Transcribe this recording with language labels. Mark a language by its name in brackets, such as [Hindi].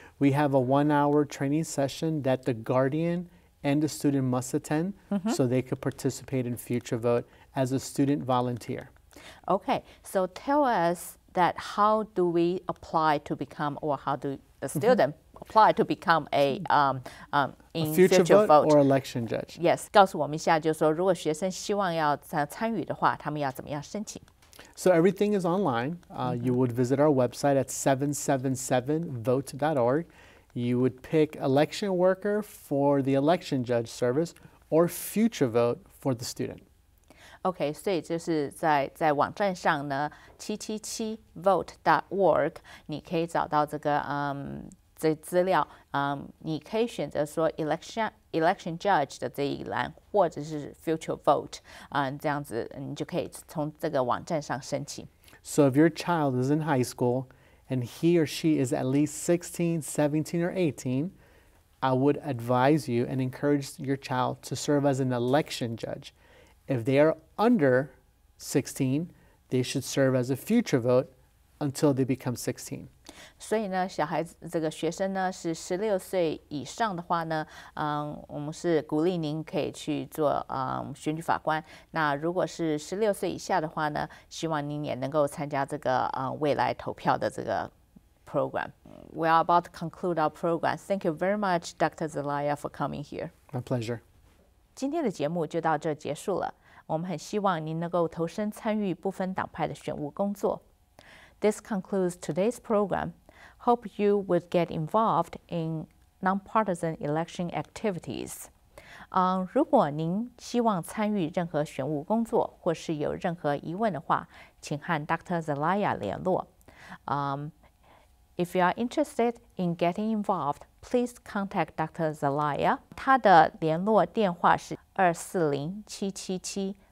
[English] We have a 1 hour training session that the guardian and the student must attend, mm-hmm. so they could participate in future vote as a student volunteer. Okay, so tell us that how do we apply to become, or how do the student mm-hmm. apply to become a, in future vote or election judge. [Chinese] Yes, 告诉我们一下，就是说，如果学生希望要参与的话，他们要怎么样申请？ [English] So everything is online. You would visit our website at 777vote.org. You would pick election worker for the election judge service or future vote for the student. [Chinese] Okay, 所以就是在网站上呢， 777vote.org, 你可以找到这个，这资料，你可以选择说 election judge 的这一栏，或者是 future vote， 这样子你就可以从这个网站上申请。 [English] So if your child is in high school and he or she is at least 16, 17, or 18, I would advise you and encourage your child to serve as an election judge. If they are under 16, they should serve as a future vote until they become 16. [Chinese] 所以呢，小孩子这个学生呢是十六岁以上的话呢，我们是鼓励您可以去做，选举法官。那如果是十六岁以下的话呢，希望您也能够参加这个，未来投票的这个 program. [English] We are about to conclude our program. Thank you very much, Dr. Zelaya, for coming here. My pleasure. [Chinese] 今天的节目就到这结束了。我们很希望您能够投身参与不分党派的选务工作。 [English] This concludes today's program. Hope you would get involved in nonpartisan election activities. [Chinese] 如果您希望参与任何选务工作或是有任何疑问的话，请和 Dr. [English] Zelaya [Chinese] 联络。 [English] If you are interested in getting involved, please contact Dr. Zelaya. [Chinese] 他的联络电话是 [English] 240-777-8888.